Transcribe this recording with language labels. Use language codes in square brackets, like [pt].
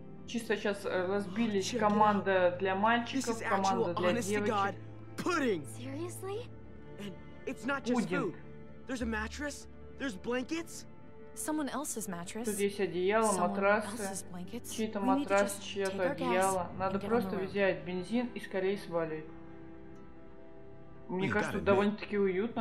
[ru] Чисто сейчас разбились. Команда для мальчиков, команда для девочек. [en] Seriously? And it's not just food. There's a mattress. There's blankets. Someone else's mattress. [ru] Тут есть одеяло, матрасы, чьи-то матрасы, чье-то одеяло. Надо просто взять бензин и скорее свалить. Мне кажется, довольно-таки уютно.